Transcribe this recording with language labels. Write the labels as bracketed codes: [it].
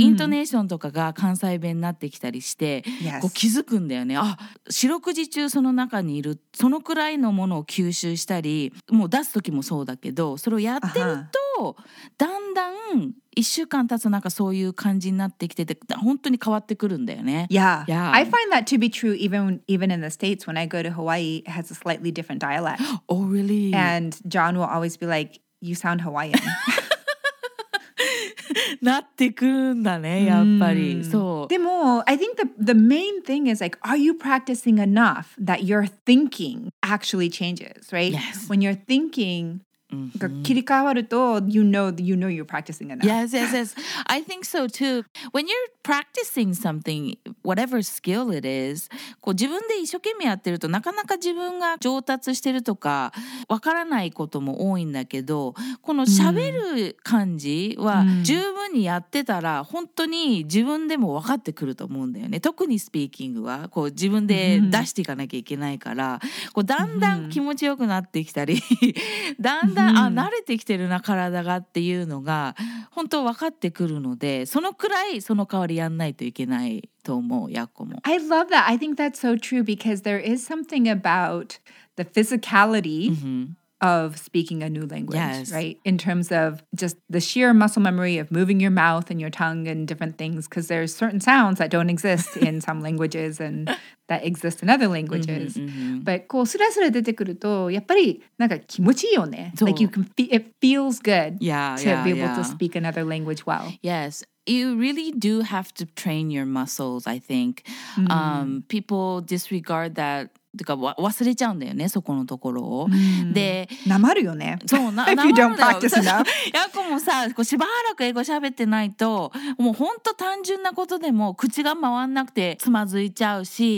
[ja] イントネーションとかが関西弁になってきたりして、 [en] yes. [ja] こう気づくんだよね。あ、四六時中その中にいるそのくらいのものを吸収したりもう出す時もそうだけどそれをやってるとだんだん1週間経つとなんかそういう感じになってきてて本当に変わってくるんだよね。 [en] Yeah. Yeah. I find that to be true even in the States when I go to Hawaii it has a slightly different dialect. Oh really? And John will always be like you sound Hawaiian. [ja] なってくるんだねやっぱり、mm. そう。 [en] でも I think the main thing is like are you practicing enough that your thinking actually changes, right? Yes. When you're thinkingMm-hmm. [ja] 切り替わると [en] You know you're practicing enough. Yes, yes, yes. I think so too. When you're practicing something, whatever skill it is, [ja] こう自分で一生懸命やってるとなかなか自分が上達してるとかわからないことも多いんだけど、この喋る感じは十分にやってたら本当に自分でも分かってくると思うんだよね。特にスピーキングはこう自分で出していかなきゃいけないから、こうだんだん気持ちよくなってきたり、だんだんあ慣れてきてるな体がっていうのが本当分かってくるのでそのくらいその代わりやんないといけないと思うヤコも [en] I love that I think that's so true because there is something about the physicality、 mm-hmm. of speaking a new language, yes. right? In terms of just the sheer muscle memory of moving your mouth and your tongue and different things, because there's certain sounds that don't exist in some languages and that exist in other languages. Mm-hmm, mm-hmm. [ja] But こうスラスラ出てくるとやっぱりなんか気持ちいいよね。 [en] So, like you can feel, it feels good yeah, to yeah, be able yeah. to speak another language well. Yes. You really do have to train your muscles, I think. Mm-hmm. People disregard that [ja] てか忘れちゃうんだよねそこのところを、うん、でなまるよね。そうな [en] if you don't practice enough [ja] ヤコもさこうしばらく英語喋ってないともう本当単純なことでも口が回らなくてつまずいちゃうし、